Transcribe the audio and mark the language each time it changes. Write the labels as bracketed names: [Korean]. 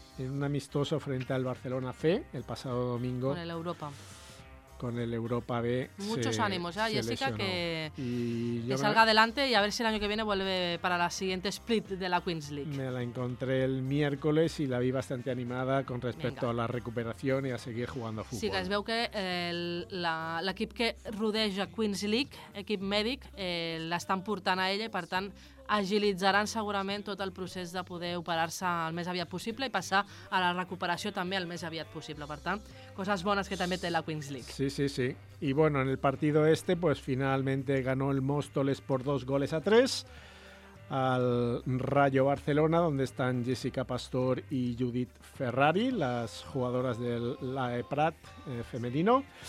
[Spanish] En un amistoso frente al Barcelona C el pasado domingo. Con el Europa B. Muchos ánimos, ¿eh? Jessica, que salga adelante y a ver si el año que viene vuelve para la siguiente split de la Queens League. Me la encontré el miércoles y la vi bastante animada con respecto a la recuperación y a seguir jugando a fútbol. [Catalan] Sí, que es veu que l'equip que rodeja Queens League, equip mèdic, l'estan portant a ella i, per tant, agilitzaran segurament tot el procés de poder operar-se el més aviat possible i passar a la recuperació també el més aviat possible. Per tant, coses bones que també té la Queens League. Sí. [Spanish] Y bueno, en el partido este, pues finalmente ganó el Móstoles por 2-3 al Rayo Barcelona, donde están Jessica Pastor y Judith Ferrari, las jugadoras del LAE Prat femenino.